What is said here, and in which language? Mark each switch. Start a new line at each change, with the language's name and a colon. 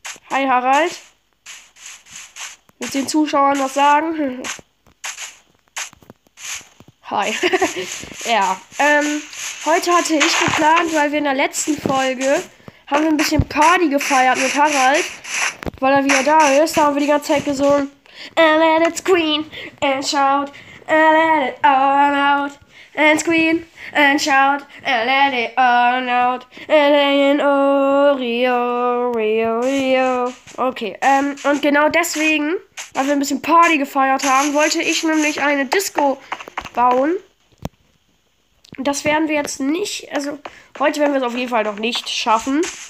German: Hi, Harald. Willst du den Zuschauern was sagen? Hi. Ja, heute hatte ich geplant, weil wir in der letzten Folge haben wir ein bisschen Party gefeiert mit Harald, weil er wieder da ist. Da haben wir die ganze Zeit gesungen.
English: And let it scream and shout, and let it all out. And scream and shout, and let it all out. And then, oh, Rio, Rio, Rio.
German: Okay, und genau deswegen, weil wir ein bisschen Party gefeiert haben, wollte ich nämlich eine Disco bauen. Das werden wir jetzt nicht, also heute werden wir es auf jeden Fall noch nicht schaffen.